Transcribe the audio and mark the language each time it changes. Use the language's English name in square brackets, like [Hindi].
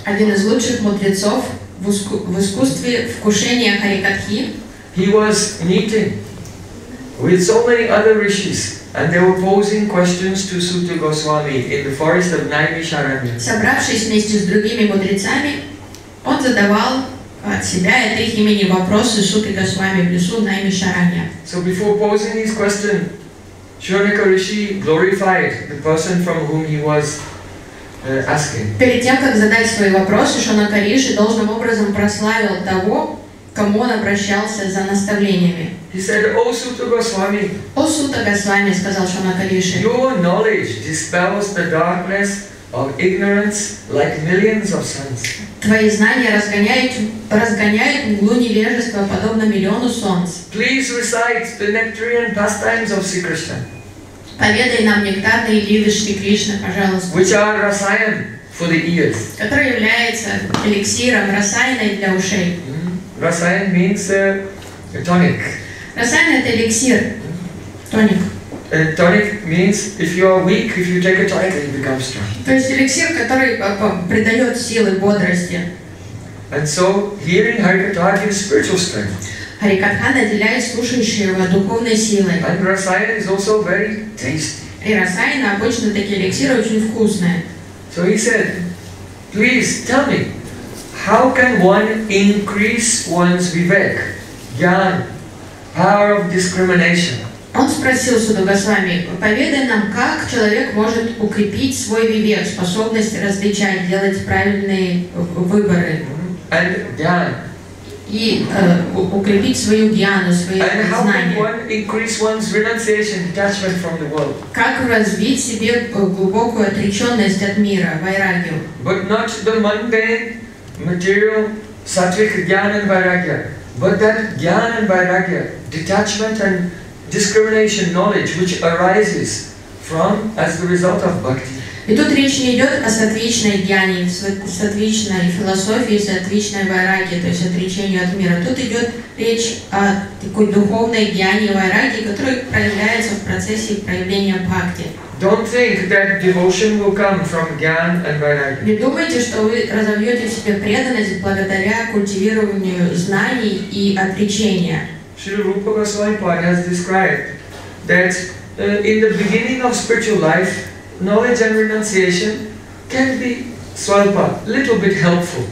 [Russian] Один из лучших мудрецов в искусстве вкушения Харикатхи. [English] He was meeting with so many other rishis and they were posing questions to Suta Goswami in the forest of Naimisharanya. [Russian] Собравшись вместе с другими мудрецами, он задавал от себя и от их имени вопросы Суты Госвами в лесу Наймишаранья. [English] So before posing his question, Shonika Rishi glorified the person from whom he was asking. [Russian] Перед тем, как задать свои вопросы, Шонака Риши должным образом прославил того, кому он обращался за наставлениями. [English] He said, "O Suta Goswami." [Russian] О Сута Госвами, сказал Шонака Риши. [English] Your knowledge dispels the darkness of ignorance like millions of suns. [Russian] Твои знания разгоняют мглу невежества подобно миллиону солнц. [English] Please recite the nectarian pastimes of Sri Krishna. [Russian] Поведай нам нектарные игры Шри Кришны, пожалуйста. [English] Which are rasayan for the ears. [Russian] Который является эликсиром расаяной для ушей. [English] Rasayan means a tonic. [Russian] Расаян это эликсир. Тоник. [English] A tonic means if you are weak, if you take a tonic, then you become strong. [Russian] То есть эликсир, который придает силы бодрости. [English] And so hearing Harikatha gives spiritual strength. [Russian] Харикатха наделяет слушающего духовной силой. [English] And rasayan is also very tasty. [Russian] И расаян обычно такие эликсиры очень вкусные. [English] So he said, please tell me, how can one increase one's vivek, jnana, power of discrimination? [Russian] Он спросил Суту Госвами, поведай нам, как человек может укрепить свой вивек, способность различать, делать правильные выборы. [English] And jnana. [Russian] И укрепить свою джьяну, свои знания. Как развить себе глубокую отреченность от мира, вайрагью. [English] But not the mundane material sattvic jnana and vairagya, but that jnana and vairagya, detachment and discrimination knowledge which arises from as the result of bhakti. [Russian] И тут речь не идет о сатвичной джьяне, сатвичной философии, сатвичной вайраге, то есть отречению от мира. Тут идет речь о такой духовной джьяне вайраге, которая проявляется в процессе проявления бхакти. [English] Don't think that devotion will come from jnana and vairagya. [Russian] Не думайте, что вы разовьете в себе преданность благодаря культивированию знаний и отречения. [English] Шри Рупа Госвами Пад has described that in the beginning of spiritual life, knowledge and renunciation can be swalpa, little bit helpful.